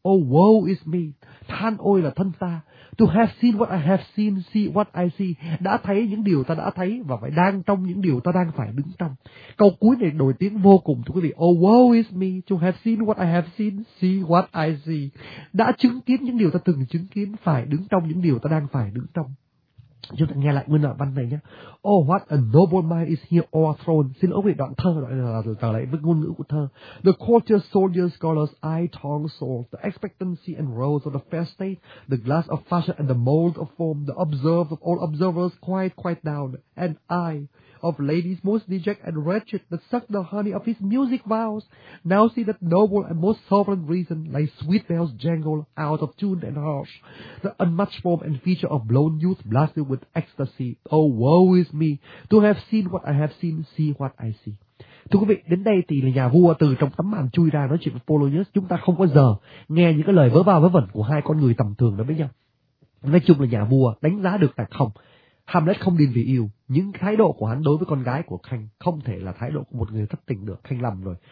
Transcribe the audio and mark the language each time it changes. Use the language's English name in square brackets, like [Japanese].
[English] Oh woe is me, [Vietnamese] than ôi là thân ta, [English] to have seen what I have seen, see what I see, [Vietnamese] đã thấy những điều ta đã thấy và phải đang trong những điều ta đang phải đứng trong. Câu cuối này nổi tiếng vô cùng thưa quý vị, [English] oh woe is me, to have seen what I have seen, see what I see, [Vietnamese] đã chứng kiến những điều ta từng chứng kiến, phải đứng trong những điều ta đang phải đứng trong. Chúng ta nghe lại nguyên đoạn văn này nhé. [English] Oh, what a noble mind is here o'erthrown. [Vietnamese] Xin lỗi về đoạn thơ, đoạn là trở lại với ngôn ngữ của thơ. [English] The courtier, soldier, scholars, eye, tongue, soul, the expectancy and rose of the fair state, the glass of fashion and the mold of form, the observed of all observers, quiet, quiet down, and I, of ladies most deject and wretched, that suck the honey of his music vows, now see that noble and most sovereign reason, like sweet bells jangle, out of tune and harsh, the unmatched form and feature of blown youth blasted with ecstasy, oh woe is me, to have seen what I have seen, see what I see. [Vietnamese] Thưa quý vị, đến đây thì là nhà vua từ trong tấm màn chui ra nói chuyện với Polonius. Chúng ta không có giờ nghe những cái lời vớ va vớ vẩn của hai con người tầm thường đó với nhau. Nói chung là nhà vua đánh giá được là không, Hamlet không điên vì yêu, những thái độ của hắn đối với con gái của Khanh không thể là thái độ của một người thất tình được, Khanh lầm rồi.